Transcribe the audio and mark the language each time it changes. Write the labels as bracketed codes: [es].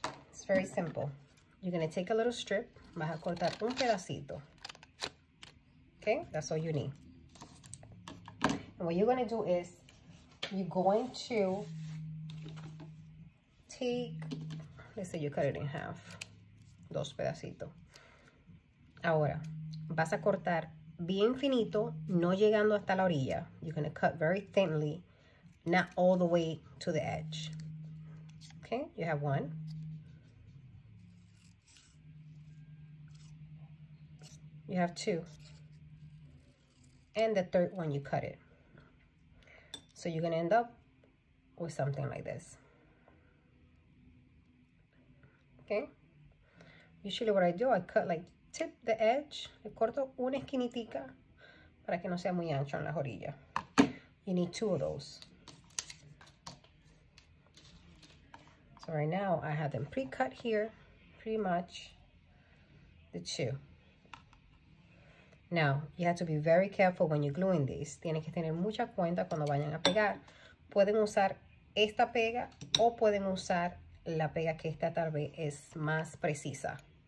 [en] It's very simple. You're going to take a little strip. [es] Vas a cortar un pedacito. [en] Okay? That's all you need. And what you're going to do is, you're going to take, let's say you cut it in half, [es] dos pedacitos. Ahora, vas a cortar bien finito, no llegando hasta la orilla. [en] You're going to cut very thinly, not all the way to the edge. Okay? You have one. You have two. And the third one, you cut it. So you're going to end up with something like this. Okay? Usually what I do, I cut like tip the edge. [es] Le corto una esquinitica para que no sea muy ancho en las orillas. [en] You need two of those. So right now I have them pre-cut here, pretty much the two. Now, you have to be very careful when you're gluing these. [es] Tienen que tener mucha cuenta cuando vayan a pegar. Pueden usar esta pega o pueden usar la pega que esta tal vez es más precisa.